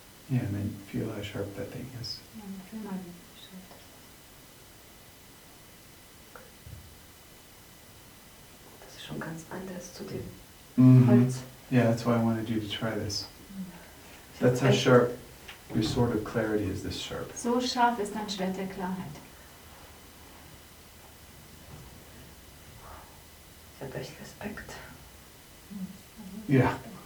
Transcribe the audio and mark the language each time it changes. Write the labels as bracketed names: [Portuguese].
[English] Yeah, and then feel how sharp that thing is. [German] Das ist schon ganz anders zu dem Holz. [English] Yeah, that's why I wanted you to try this. That's how sharp your sword of clarity is, this sharp. [German] So scharf ist dein Schwert der Klarheit. Ich hab echt Respekt. [English] Yeah.